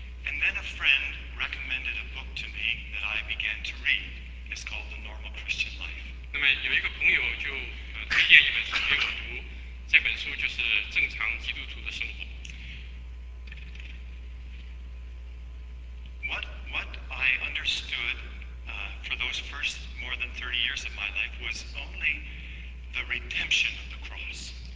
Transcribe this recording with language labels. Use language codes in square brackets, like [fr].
[en] And then a friend recommended a book to me that I began to read. It's called The Normal Christian Life. [zh] 那么有一个朋友就推荐一本书给我读，这本书就是《正常基督徒的生活》。 [en] What I understood for those first more than 30 years of my life was only the redemption of the cross.